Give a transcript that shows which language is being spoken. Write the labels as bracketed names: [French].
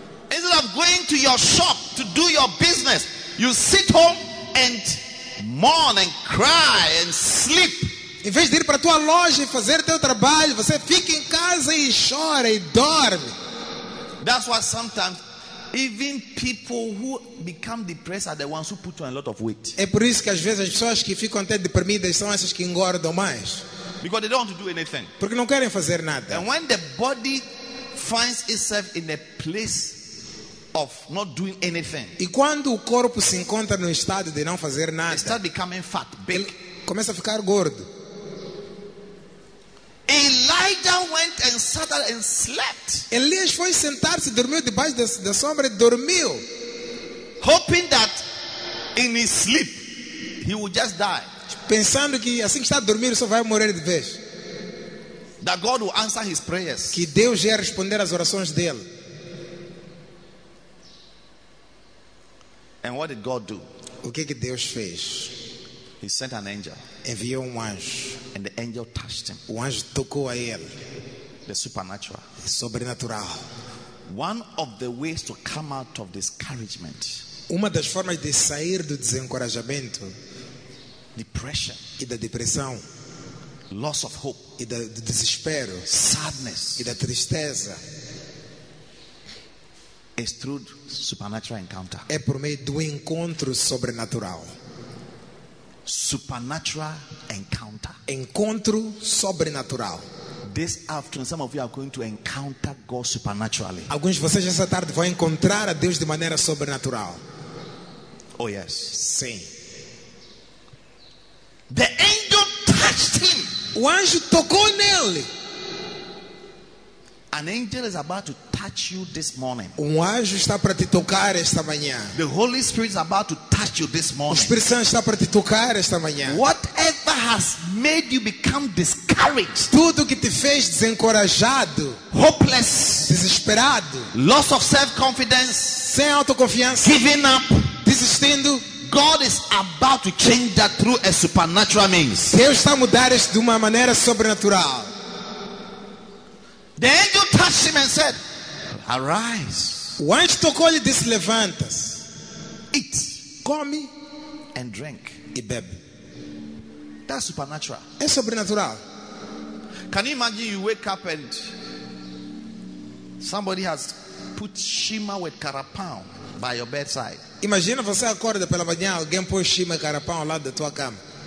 [English] Instead of going to your shop to do your business, you sit home and mourn and cry and sleep. [Portuguese] Em vez de ir para a tua loja e fazer teu trabalho, você fica em casa e chora e dorme. [English] That's why sometimes even people who become depressed are the ones who put on a lot of weight. [Portuguese] É por isso que às vezes as pessoas que ficam até deprimidas são essas que engordam mais. [English] Because they don't want to do anything. [Portuguese] Porque não querem fazer nada. [English] And when the body finds itself in a place of not doing anything. [Portuguese] E quando o corpo se encontra no estado de não fazer nada, [English] they start becoming fat, big. [Portuguese] Começa a ficar gordo. [English] Elijah went and sat and slept. [Portuguese] Elias foi sentar-se, dormiu debaixo da sombra e dormiu. [English] Hoping that in his sleep he would just die. [Portuguese] Pensando que assim que está a dormir só vai morrer de vez. [English] That God will answer his prayers. [Portuguese] Que Deus ia responder às orações dele. [English] And what did God do? [Portuguese] O que Deus fez? [English] He sent an angel. [Portuguese] Enviou um anjo. [English] And the angel touched him. [Portuguese] O anjo tocou a ele. [English] The supernatural. [Portuguese] Sobrenatural. [English] One of the ways to come out of discouragement. [Portuguese] Uma das formas de sair do desencorajamento. [English] Depression. [Portuguese] E da depressão. [English] Loss of hope. [Portuguese] E do desespero. [English] Sadness. [Portuguese] E da tristeza. [English] Is through supernatural encounter. [Portuguese] É por meio do encontro sobrenatural. [English] Supernatural encounter. [Portuguese] Encontro sobrenatural. [English] This afternoon, some of you are going to encounter God supernaturally. [Portuguese] Alguns de vocês essa tarde vão encontrar a Deus de maneira sobrenatural. [English] Oh yes. [Portuguese] Sim. [English] The angel touched him. [Portuguese] O anjo tocou nele. [English] An angel is about to touch you this morning. [Portuguese] Um anjo está para te tocar esta manhã. [English] The Holy Spirit is about to touch you this morning. [Portuguese] O Espírito Santo está para te tocar esta manhã. [English] Whatever has made you become discouraged. [Portuguese] Tudo que te fez desencorajado. [English] Hopeless. [Portuguese] Desesperado. [English] Loss of self-confidence. [Portuguese] Sem autoconfiança. [English] Giving up. [Portuguese] Desistindo. [English] God is about to change that through a supernatural means. [Portuguese] Deus está a mudar isso de uma maneira sobrenatural. [English] The angel touched him and said, arise. [Portuguese] O anjo tocou-lhe e disse, levantas. [English] Eat. [Portuguese] Come. [English] And drink. [Portuguese] E bebe. [English] That's supernatural. [Portuguese] É sobrenatural. [English] Can you imagine you wake up and somebody has put shima with carapau by your bedside. [Portuguese] Imagina você acorda pela manhã, alguém põe shima e carapau ao lado da tua cama.